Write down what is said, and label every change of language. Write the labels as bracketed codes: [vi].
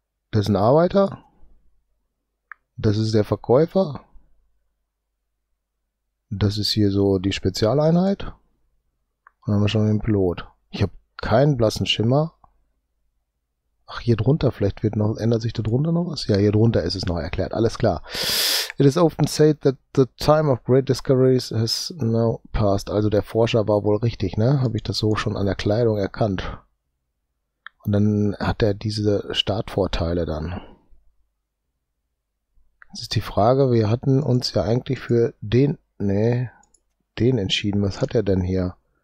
[de] Das ist ein Arbeiter. Das ist der Verkäufer. Das ist hier so die Spezialeinheit. Und dann haben wir schon den Pilot. Ich habe keinen blassen Schimmer. Ach, hier drunter, vielleicht wird noch, ändert sich da drunter noch was? Ja, hier drunter ist es noch erklärt. Alles klar. [en] It is often said that the time of great discoveries has now passed. [de] Also der Forscher war wohl richtig, ne? Habe ich das so schon an der Kleidung erkannt. Und dann hat er diese Startvorteile dann. Jetzt ist die Frage, wir hatten uns ja eigentlich für den, den entschieden. Was hat er denn hier?